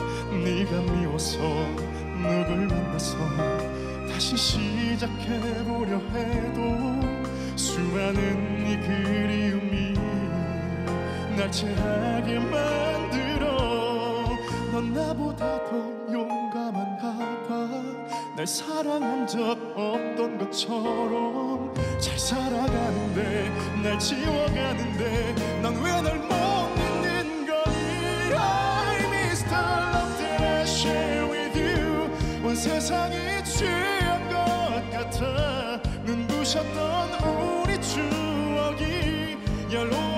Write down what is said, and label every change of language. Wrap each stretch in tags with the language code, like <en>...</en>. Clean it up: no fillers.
<ko>네가 미워서 누굴 만나서 다시 시작해보려 해도 수많은 네 그리움이 날 체하게 만들어. 넌 나보다 더 용감한가 봐. 날 사랑한 적 없던 것처럼 잘 살아가는데 날 지워가는데 넌 왜 날 못 믿는 거니.</ko> <en>I miss the love that I share with you.</en> <ko>온 세상이 취한 것 같아. 눈부셨던 우리 추억이 열로</ko>